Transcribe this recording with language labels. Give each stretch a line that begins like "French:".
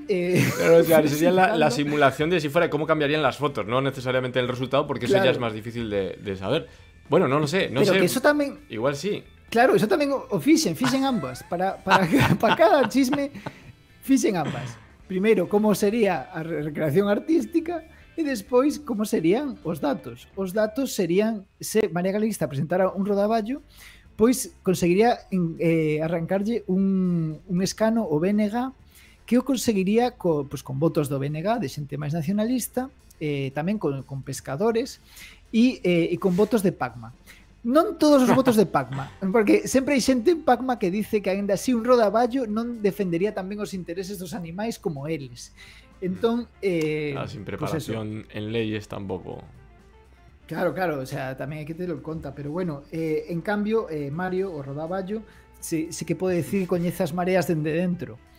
Spanish: pero claro, sería la simulación de si fuera cómo cambiarían las fotos, no necesariamente el resultado, porque claro, eso ya es más difícil de saber. Bueno, no lo sé. No pero sé. Que eso también. Igual sí.
Galician: Claro,
Spanish: eso también
Galician: o fixen ambas. Para cada chisme, fixen ambas.
Spanish: Primero, cómo sería
Galician: a recreación artística e despois como serían os datos. Os datos serían, se María Galeguista presentara un rodaballo, pois conseguiría arrancarlle un escano o BNG, que o conseguiría con votos do BNG, de xente máis nacionalista, tamén con pescadores, e con votos de Pacma. Non todos os votos de Pacma, porque sempre hai xente en Pacma que dice que aínda así un rodaballo non defendería tamén os intereses dos animais como eles. Entón,
Spanish: claro, sin preparación, pues en leyes tampoco.
Galician: Claro, claro, o sea, tamén hai que telo en conta. Pero bueno, en cambio, Mario, o rodaballo, sí que pode decir que coñece as mareas dende dentro.